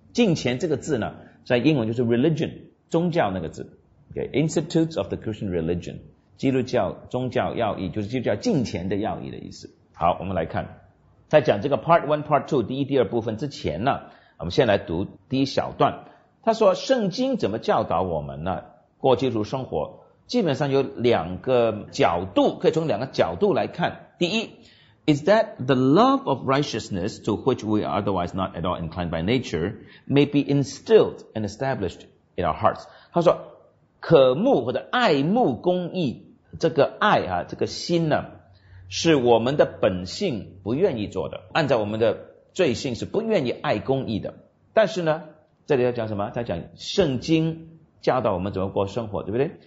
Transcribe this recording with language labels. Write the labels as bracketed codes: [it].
[zh] 金钱这个字呢在英文就是 religion， 宗教那个字， okay， Institutes of the Christian Religion， 基督教宗教要义就是基督教金钱的要义的意思。好，我们来看在讲这个 part 1 part 2第一第二部分之前呢，我们先来读第一小段。他说圣经怎么教导我们呢过基督徒生活，基本上有两个角度，可以从两个角度来看。 [en] 第一 is that the love of righteousness to which we are otherwise not at all inclined by nature may be instilled and established in our hearts。 [zh] 他说渴慕或者爱慕公义，这个爱啊，这个心呢、啊，是我们的本性不愿意做的，按照我们的罪性是不愿意爱公义的。但是呢这里要讲什么，在讲圣经教导我们怎么过生活，对不对？